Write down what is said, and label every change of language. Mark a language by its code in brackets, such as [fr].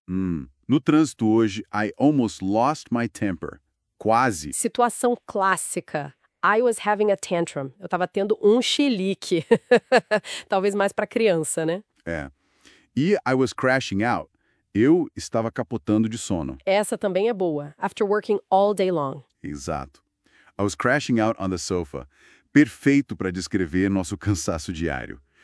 [pt] No trânsito hoje, [en] I almost lost my temper. [pt] Quase. Situação clássica. [en] I was having a tantrum. [pt] Eu tava tendo um chilique. Talvez mais pra criança, né? [en] É. E I was crashing out. [pt] Eu estava capotando de sono. Essa também é boa. [en] After working all day long. [pt] Exato. [en] I was crashing out on the sofa. [pt] Perfeito pra descrever nosso cansaço diário.